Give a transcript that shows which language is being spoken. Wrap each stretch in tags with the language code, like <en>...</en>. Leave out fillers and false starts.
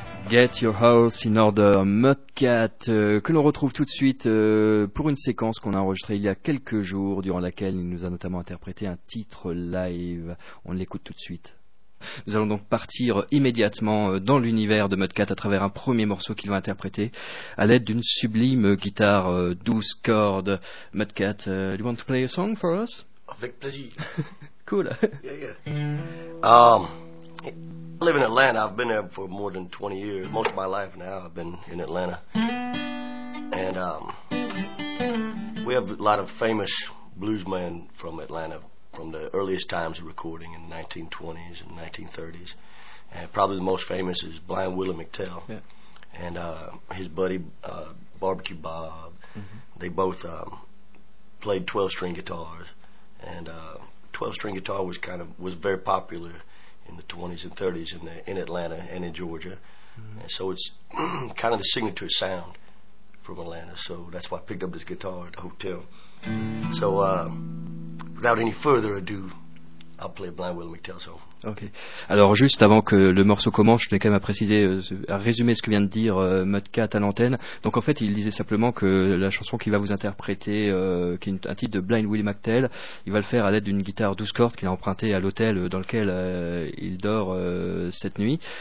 <fr>Get Your House in Order, Mudcat, que l'on retrouve tout de suite pour une séquence qu'on a enregistrée il y a quelques jours, durant laquelle il nous a notamment interprété un titre live. On l'écoute tout de suite. Nous allons donc partir immédiatement dans l'univers de Mudcat à travers un premier morceau qu'il va interpréter à l'aide d'une sublime guitare 12 cordes.</fr> <en>Mudcat, do you want to play a song for us?</en> <fr>Avec plaisir.</fr> <en>Cool. Yeah. I live in Atlanta. I've been there for more than 20 years. Most of my life now I've been in Atlanta. And we have a lot of famous bluesmen from Atlanta from the earliest times of recording in the 1920s and 1930s. And probably the most famous is Blind Willie McTell. Yeah. And his buddy, Barbecue Bob. Mm-hmm. They both played 12-string guitars. And 12-string guitar was kind of was very popular in the 20s and 30s in Atlanta and in Georgia. Mm-hmm. And so it's kind of the signature sound from Atlanta. So that's why I picked up this guitar at the hotel. So without any further ado, I'll play Blind Willie McTell song. Okay.</en> <fr>Alors juste avant que le morceau commence, je tenais quand même à préciser, à résumer ce que vient de dire Mudcat à l'antenne. Donc en fait, il disait simplement que la chanson qu'il va vous interpréter, qui est un titre de Blind Willie McTell, il va le faire à l'aide d'une guitare 12 cordes qu'il a empruntée à l'hôtel dans lequel il dort cette nuit.</fr>